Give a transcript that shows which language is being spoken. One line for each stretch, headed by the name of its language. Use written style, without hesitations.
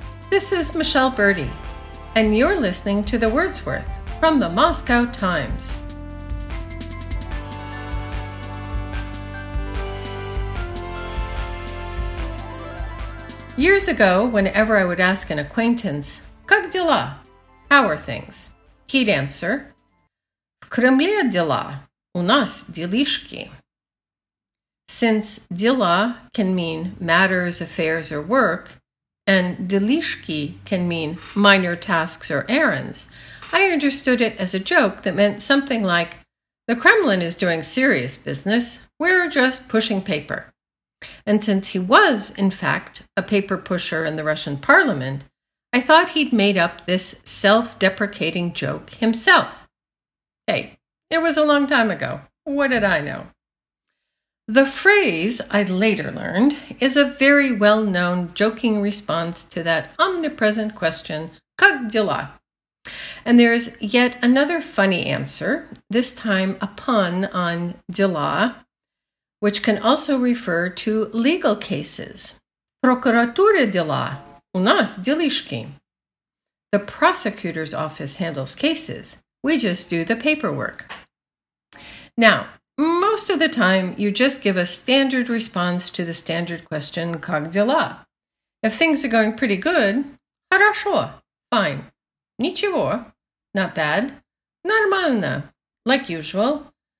English: This is Michelle Birdie, and you're listening to The Wordsworth from the Moscow Times. Years ago, whenever I would ask an acquaintance,
Russian: "Как дела?"
English: How are things? He'd answer,
Russian: "В Кремле дела, у нас делишки."
English: Since дела can mean matters, affairs, or work, and делишки can mean minor tasks or errands, I understood it as a joke that meant something like, "The Kremlin is doing serious business, we're just pushing paper." And since he was, in fact, a paper pusher in the Russian parliament, I thought he'd made up this self-deprecating joke himself. Hey, it was a long time ago. What did I know? The phrase, I later learned, is a very well-known joking response to that omnipresent question,
Russian: "Как дела?"
English: And there's yet another funny answer, this time a pun on дела, which can also refer to legal cases.
Russian: Прокуратура дела, у нас делишки.
English: The prosecutor's office handles cases. We just do the paperwork. Now, most of the time, you just give a standard response to the standard question,
Russian: как дела?
English: If things are going pretty good, хорошо, fine. Ничего, not bad. Нормально, like usual.